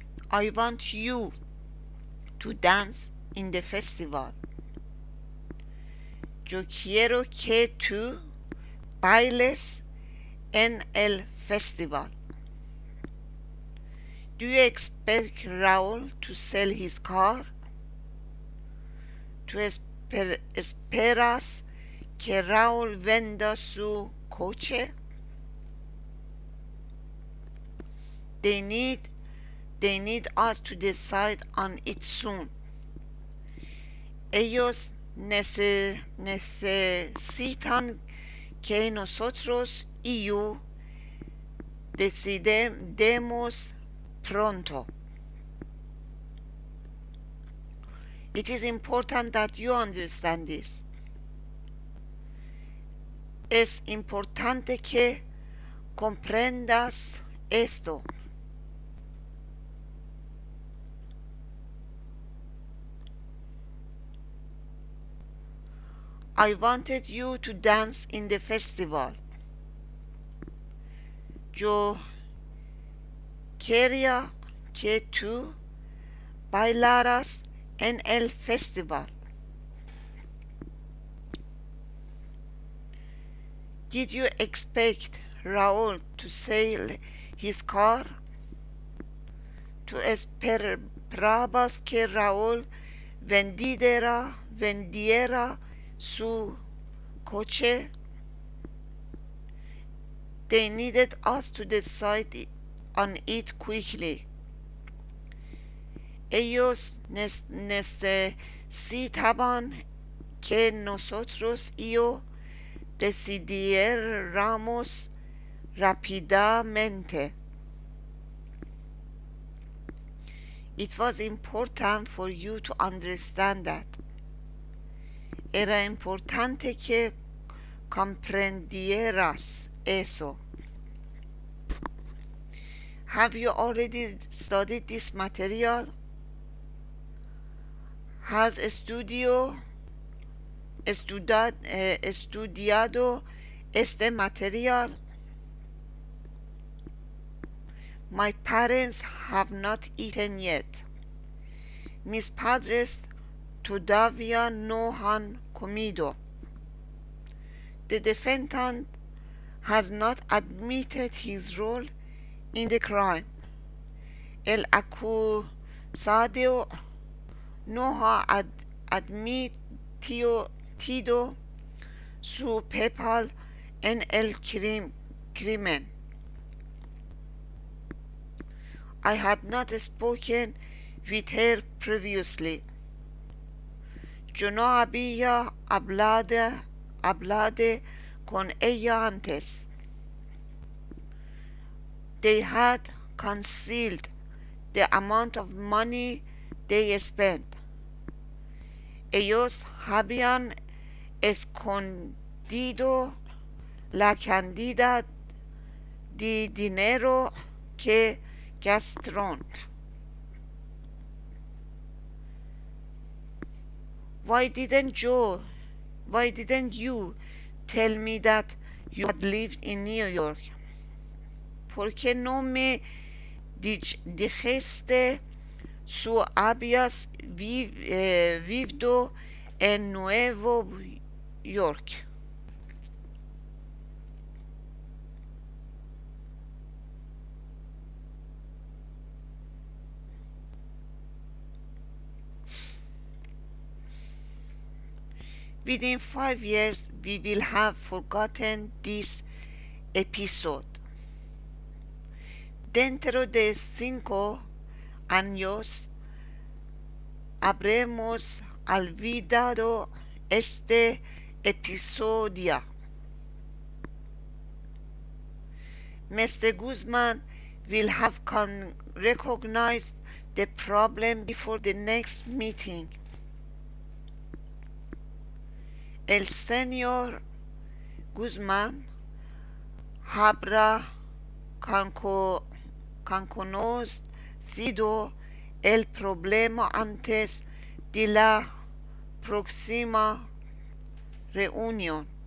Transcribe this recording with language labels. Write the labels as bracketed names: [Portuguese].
[English] I want you to dance in the festival. [Spanish] Yo quiero que tú bailes en el festival. [English] Do you expect Raúl to sell his car? [Spanish] Tú esperas que Raúl venda su coche? [English] They need us to decide on it soon. [Spanish] Ellos necesitan que nosotros y yo decidamos pronto. [English] It is important that you understand this. [Spanish] Es importante que comprendas esto. [English] I wanted you to dance in the festival. [Spanish] Yo quería que tú bailaras en el festival. [English] Did you expect Raúl to sell his car? [Spanish] Tú esperabas que Raúl vendiera su coche? [English] They needed us to decide on it quickly. [Spanish] Ellos necesitaban que nosotros y yo decidiéramos rápidamente. [English] It was important for you to understand that. [Spanish] Era importante que comprendieras eso. [English] Have you already studied this material? [Spanish] Has estudiado este material? [English] My parents have not eaten yet. [Spanish] Mis padres todavía no han comido. [English] The defendant has not admitted his role in the crime. [Spanish] El acusado no ha admitido su papel en el crimen. [English] I had not spoken with her previously. [Spanish] Yo no había hablado con ella antes. [English] They had concealed the amount of money they spent. [Spanish] Ellos habían escondido la cantidad de dinero que gastaron. [English] Why didn't you tell me that you had lived in New York? [Spanish] ¿Por qué no me dijiste su habías vivido en Nuevo York? [English] Within 5 years, we will have forgotten this episode. [Spanish] Dentro de 5 años, habremos olvidado este episodio. [English] Mr. Guzman will have recognized the problem before the next meeting. [Spanish] El señor Guzmán habrá conocido el problema antes de la próxima reunión.